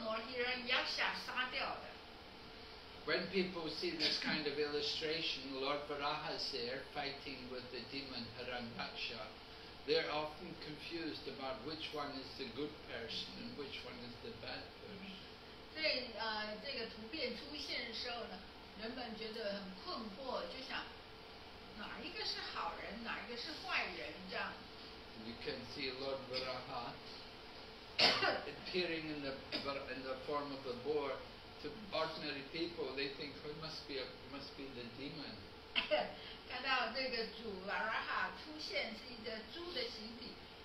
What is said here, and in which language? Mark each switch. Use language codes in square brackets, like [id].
[zh] 拯救抬起来的红色那一只呢，是把这个恶魔Hiranyaksha杀掉的。 [en] When people see this kind of illustration, Lord Varaha is there fighting with the demon Hiranyaksha. They're often confused about which one is the good person and which one is the bad person. [zh] 所以这个图片出现的时候呢，人们觉得很困惑，就想哪一个是好人，哪一个是坏人这样。 [en] You can see Lord Varaha appearing in the form of a boar. To ordinary people, they think it must be the demon. [zh] 看到这个主Varaha出现是一个猪的形体,